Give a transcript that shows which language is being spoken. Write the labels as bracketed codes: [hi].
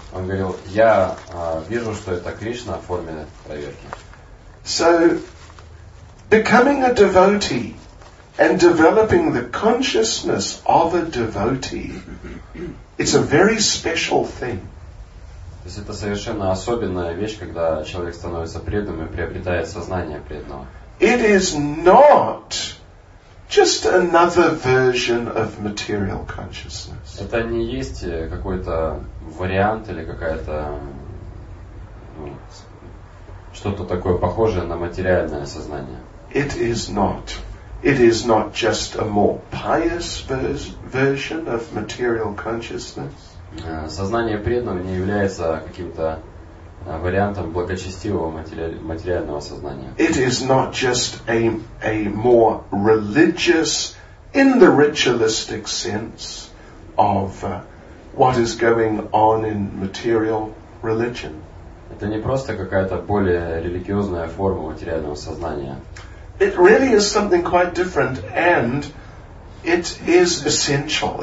[ru] Он говорил, я вижу, что это Кришна в форме проверки. [en] So, becoming a devotee and developing the consciousness of a devotee, it's a very special thing. [ru] То есть это совершенно особенная вещь, когда человек становится преданным и приобретает сознание преданного. [en] It is not just another version of material consciousness. [ru] Это не есть какой-то вариант или какая-то, ну, что-то такое похожее на материальное сознание. [en] It is not. It is not just a more pious version of material consciousness. [ru] Сознание преданного не является каким-то вариантом благочестивого материального сознания. [en] It is not just a more religious in the ritualistic sense of what is going on in material religion. [ru] Это не просто какая-то более религиозная форма материального сознания. [en] It really is something quite different, and it is essential.